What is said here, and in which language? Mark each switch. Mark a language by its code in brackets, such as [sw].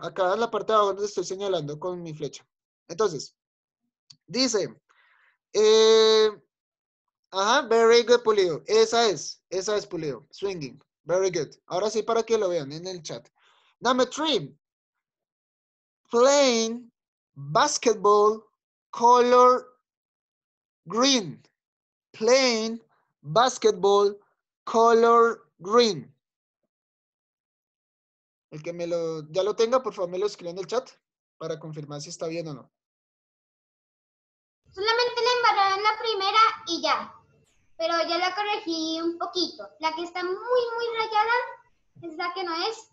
[es] Acá en la parte de abajo donde estoy señalando con mi flecha. Entonces, dice... [en] ajá, very good, Pulido. [es] Esa es, [en] Pulido. Swinging. Very good. [es] Ahora sí, para que lo vean en el chat. [en] Number 3. Playing basketball color green. Playing basketball color green. [es] El que ya lo tenga, por favor, me lo escribe en el chat para confirmar si está bien o no. Solamente le embarraron la primera y ya. Pero ya la corregí un poquito. La que está muy, muy rayada es la que no es.